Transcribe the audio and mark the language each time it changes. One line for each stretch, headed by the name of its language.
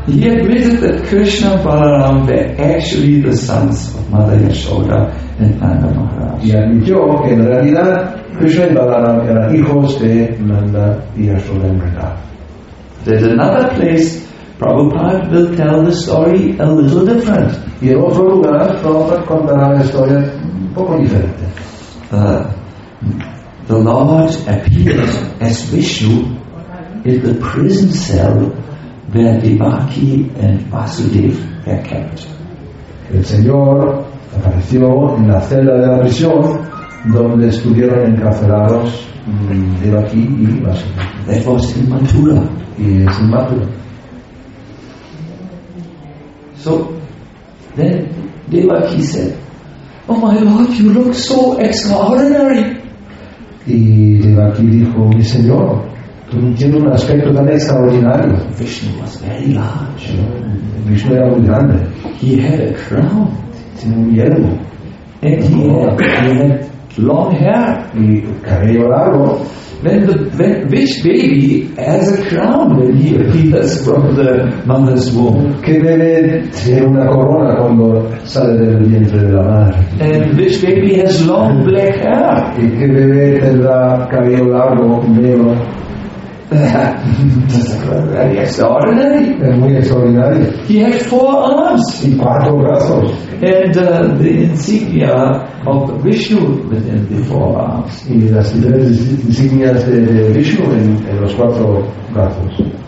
English: He admitted that Krishna and Balaram were actually the sons of Mother Yashoda and Nanda Maharaj.
Spanish: Y admitió que en realidad Krishna y Balaram eran hijos de Nanda y Yashoda en verdad.
English: There's another place Prabhupada will tell the story a little different.
Spanish: Y en otro lugar, Prabhupada contará la historia un poco diferente.
English: The Lord appeared as Vishnu in the prison cell where Devaki and Vasudev were kept.
Spanish: El Señor apareció en la celda de la prisión donde estuvieron encarcelados Devaki y Vasudev.
English: That was in Mathura.
Spanish: Es en Mathura.
English: So then Devaki said, oh my Lord, you look so extraordinary.
Spanish: Y Devaki dijo, mi Señor, tú tienes un aspecto tan extraordinario.
English: Vishnu was very large.
Spanish: Vishnu era muy grande.
English: He had a crown.
Spanish: Tiene un yelmo.
English: And he had long hair.
Spanish: Y cabello largo.
English: Which baby has a crown when he appears from the mother's womb?
Spanish: ¿Qué bebé tiene una corona cuando sale del vientre de la madre?
English: And which baby has long black hair?
Spanish: ¿Y qué bebé tendrá cabello largo, negro?
English: Extraordinary.
Spanish: Muy extraordinario.
English: He had four arms.
Spanish: Y cuatro brazos.
English: And the insignia of Vishnu within the four arms.
Spanish: Y las tres insignias de Vishnu en los cuatro brazos.